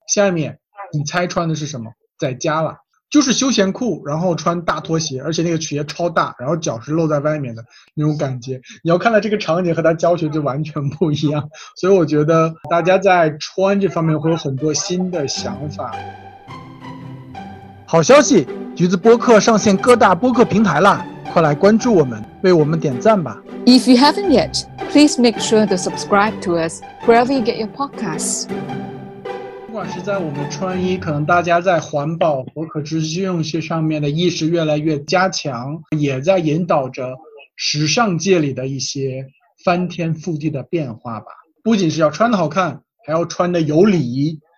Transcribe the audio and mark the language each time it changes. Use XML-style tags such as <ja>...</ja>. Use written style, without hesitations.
<zh>下面你猜穿的是什么？在家了，就是休闲裤，然后穿大拖鞋，而且那个鞋超大，然后脚是露在外面的那种感觉。你要看到这个场景和他教学就完全不一样，所以我觉得大家在穿这方面会有很多新的想法。好消息，橘子播客上线各大播客平台啦，快来关注我们，为我们点赞吧。</zh> <en>If you haven't yet, please make sure to subscribe to us wherever you get your podcasts。</en> <zh>不管是在我们穿衣，可能大家在环保和可持续用些上面的意识越来越加强，也在引导着时尚界里的一些翻天覆地的变化吧。不仅是要穿得好看，还要穿得有理。</zh>